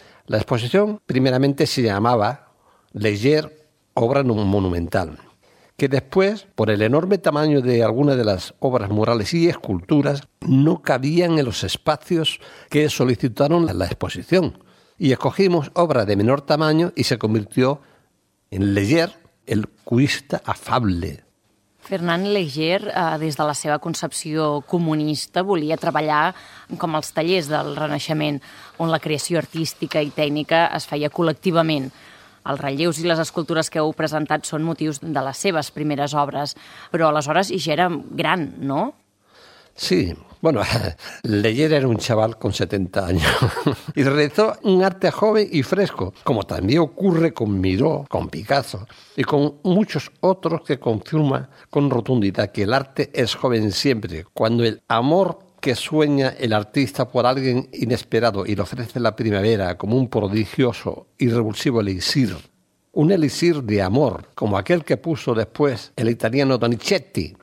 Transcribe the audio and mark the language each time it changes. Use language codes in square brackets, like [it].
[es] La exposición primeramente se llamaba Le Hyer, obra monumental, que después, por el enorme tamaño de algunas de las obras murales y esculturas, no cabían en los espacios que solicitaron la exposición. Y escogimos obra de menor tamaño y se convirtió en Le Hyer, el cubista afable. [ca] Fernand Léger, des de la seva concepció comunista, volia treballar com els tallers del Renaixement, on la creació artística i tècnica es feia col·lectivament. Els relleus i les escultures que heu presentat són motius de les seves primeres obres, però aleshores ja era gran, no? [es] Sí, bueno, Léger era un chaval con 70 años y realizó un arte joven y fresco, como también ocurre con Miró, con Picasso y con muchos otros que confirma con rotundidad que el arte es joven siempre, cuando el amor que sueña el artista por alguien inesperado y le ofrece la primavera como un prodigioso y revulsivo elixir, un elixir de amor, como aquel que puso después el italiano Donizetti.